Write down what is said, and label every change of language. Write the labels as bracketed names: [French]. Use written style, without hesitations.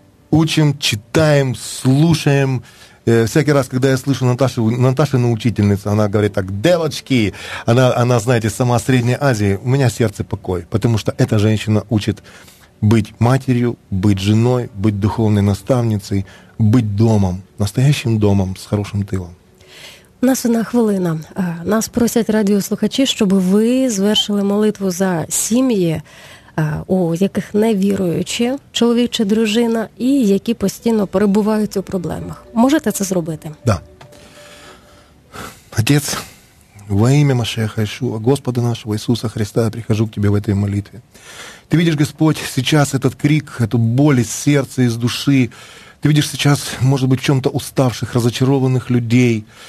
[Russian] Учим, читаем, слушаем. Всякий раз, когда я слышу Наташину учительницу, она говорит так: «Девочки!» Она, знаете, сама Средняя Азия, у меня сердце покой, потому что эта женщина учит быть матерью, быть женой, быть духовной наставницей, быть домом, настоящим домом с хорошим тилом. [Ukrainian] У нас одна хвилина. Нас просять радіослухачі, щоб ви звершили молитву за сім'ї, у яких невіруючі чоловік чи дружина, і які постійно перебувають у проблемах. Можете це зробити? [Russian] Да. Отец, во имя Машеха Ишуа, Господа нашего Иисуса Христа, я прихожу к Тебе в этой молитве. Ты видишь, Господь, сейчас этот крик, эту боль из сердца, из души. Ты видишь сейчас, может быть, в чем-то уставших, разочарованных людей.